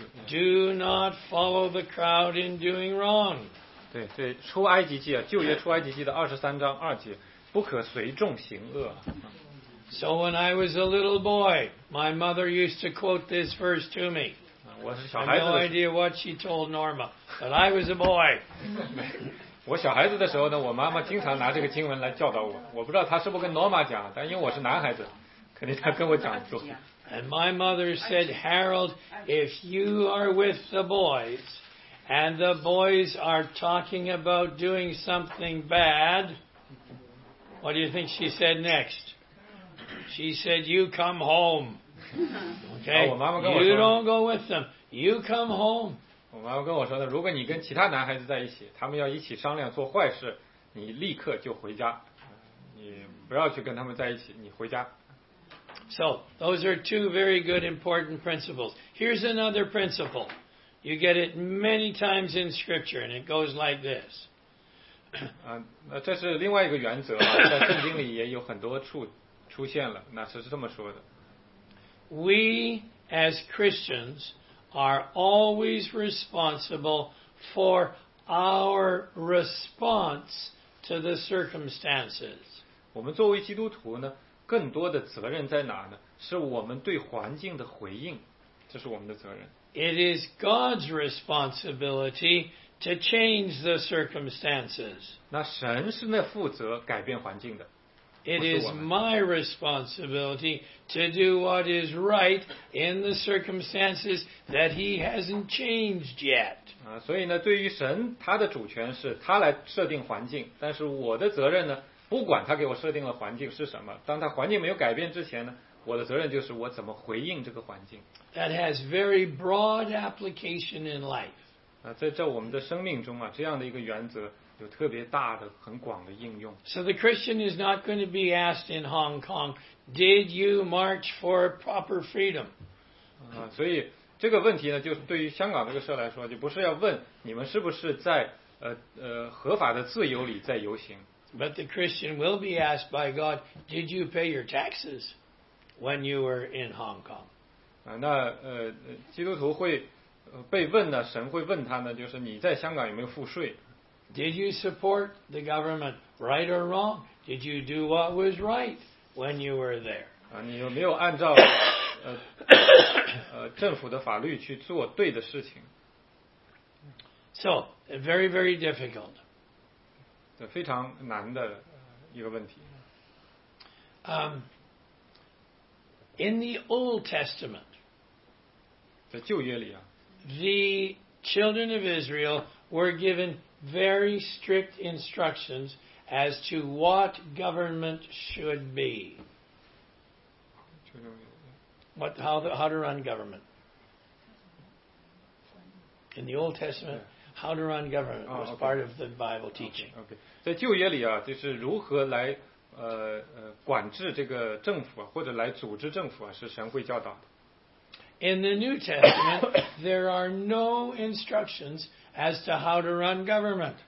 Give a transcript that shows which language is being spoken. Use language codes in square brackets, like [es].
[en] Do not follow the crowd in doing wrong. [zh] 对对，出埃及记啊，旧约出埃及记的二十三章二节，不可随众行恶。 [en] So when I was a little boy, my mother used to quote this verse to me. [zh] 我是小孩子。 [en] I have no idea what she told Norma, but I was a boy. [zh] 我小孩子的时候呢，我妈妈经常拿这个经文来教导我。我不知道她是不是跟 Norma 讲，但因为我是男孩子，肯定她跟我讲过。 [en] And my mother said, Harold, if you are with the boys, and the boys are talking about doing something bad, what do you think she said next? She said, "You come home." Okay. [zh] 我妈妈跟我说 [en] "You don't go with them. You come home." [zh] 我妈妈跟我说呢，如果你跟其他男孩子在一起，他们要一起商量做坏事，你立刻就回家，你不要去跟他们在一起，你回家。 [en] So those are two very good important principles. Here's another principle. You get it many times in Scripture, and it goes like this. [zh] 那这是另外一个原则啊，在圣经里也有很多处。出现了，那是这么说的。 [en] We as Christians are always responsible for our response to the circumstances. [zh] 我们作为基督徒呢，更多的责任在哪呢？是我们对环境的回应，这是我们的责任。 [en] It is God's responsibility to change the circumstances. [zh] 那神是那负责改变环境的。 [en] It is my responsibility to do what is right in the circumstances that he hasn't changed yet. [zh] 所以呢，对于神，他的主权是他来设定环境，但是我的责任呢，不管他给我设定了环境是什么，当他环境没有改变之前呢，我的责任就是我怎么回应这个环境。 [en] That has very broad application in life. [zh] 在我们的生命中啊，这样的一个原则。有特别大的很广的应用 [en] So the Christian is not going to be asked in Hong Kong Did you march for proper freedom? [zh] 所以这个问题呢就是对于香港这个事来说就不是要问你们是不是在合法的自由里在游行 [en] But the Christian will be asked by God Did you pay your taxes when you were in Hong Kong? [zh] 基督徒会被问呢神会问他呢就是你在香港有没有付税 [en] Did you support the government, right or wrong? Did you do what was right when you were there? [zh] 你有没有按照政府的法律去做对的事情 [en] ？So very very difficult. [zh] 这非常难的一个问题。 [en] In the Old Testament, [zh] 在旧约里啊 [en] ，the children of Israel were given very strict instructions as to what government should be. How to run government. In the Old Testament, how to run government was part of the Bible teaching. Okay. [zh] 在旧约里啊，就是如何来管制这个政府或者来组织政府啊，是神会教导的。 [en] In the New Testament, there are no instructions as to how to run government.